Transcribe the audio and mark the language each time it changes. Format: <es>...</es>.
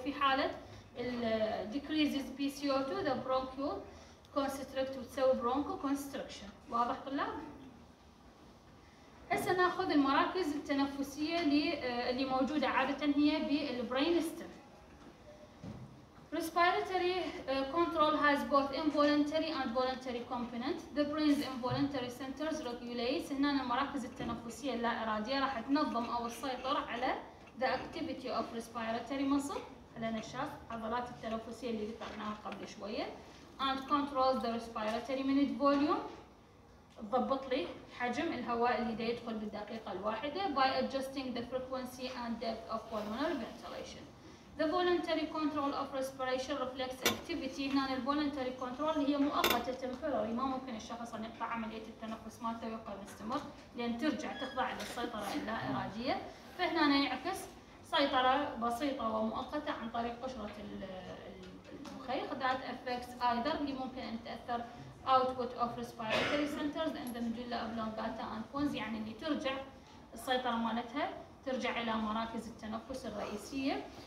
<ar>وفي حاله</ar> <en>decreases PCO2 the bronchial constrict</en> <ar>وتسوي</ar> <en>Bronchoconstriction.</en> <ar>واضح طلاب؟ هسه ناخذ المراكز التنفسيه اللي موجوده عاده هي بالبرين ستيم.</ar> <en>Respiratory control has both involuntary and voluntary component. The brain's involuntary centers regulates.</en> <ar>هنا المراكز التنفسيه اللا اراديه راح تنظم او السيطره على</ar> <en>the activity of respiratory muscle</en> <ar>لنشاط عضلات التنفسيه اللي ذكرناها قبل شويه.</ar> <en>And controls the respiratory minute volume،</en> <ar>ضبط لي حجم الهواء اللي دا يدخل بالدقيقه الواحده.</ar> <en>By adjusting the frequency and depth of pulmonary ventilation. The voluntary control of respiration reflects activity.</en> <ar>هنا ال voluntary control هي مؤقته temporary، ما ممكن الشخص ان يقطع عمليه التنفس مالته ويقعد مستمر، لان ترجع تخضع للسيطره اللا اراديه. فهنا يعكس سيطرة بسيطة ومؤقتة عن طريق قشرة المخيخ.</ar> <en>that affects either</en> <ar>اللي ممكن ان تأثر</ar> <en>output of respiratory centers in the medulla oblongata and pons،</en> <ar>يعني اللي ترجع السيطرة مالتها ترجع الى مراكز التنفس الرئيسية.</ar>